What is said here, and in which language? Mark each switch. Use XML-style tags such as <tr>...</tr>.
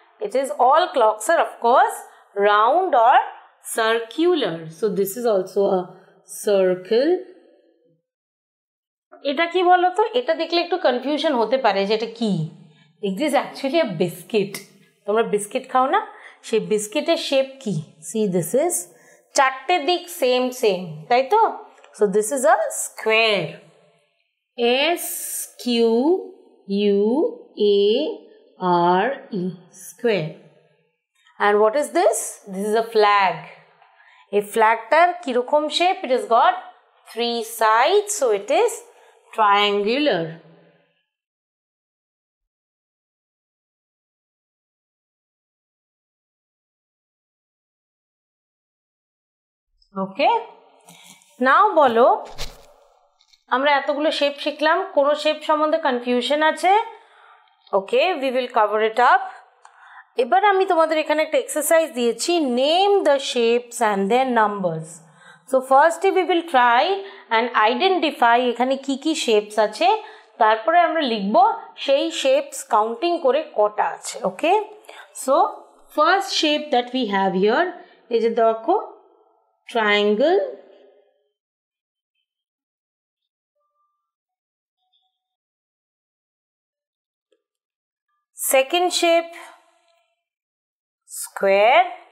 <en>It is all clocks are of course round or circular. So, this is also a circle.</en> <bn>Eta ki boloto? Eta dekhle ektu confusion hote pare je eta ki?</bn> <en>It is actually a biscuit.</en> <bn>Tumra biscuit khao na? She biscuit er shape ki?</bn> <en>See, this is</en> <bn>চারটে দিক</bn> <en>same same,</en> <bn>তাই তো?</bn> <en>So this is a square, S Q U A R E, square. And what is this? This is a flag.</en> <bn>এই ফ্ল্যাগটার কীরকম shape?</bn> <en>It is got three side, so it is triangular.</en> <bn>ওকে, নাও বলো, আমরা এতগুলো shape শিখলাম, কোনো shape সম্বন্ধে confusion আছে?</bn> <en>Okay, we will cover it up.</en> <bn>এবার আমি তোমাদের এখানে একটা এক্সারসাইজ দিয়েছি,</bn> <en>Name the shapes and their numbers. So ফার্স্টে we will try and identify</en> <bn>এখানে কী কী শেপস আছে, তারপরে আমরা লিখব সেই শেপস কাউন্টিং করে কটা আছে। ওকে, so</bn> <en>first shape that we have here is a</en> <bn>dekho</bn> <en>triangle. Second shape, square.</en>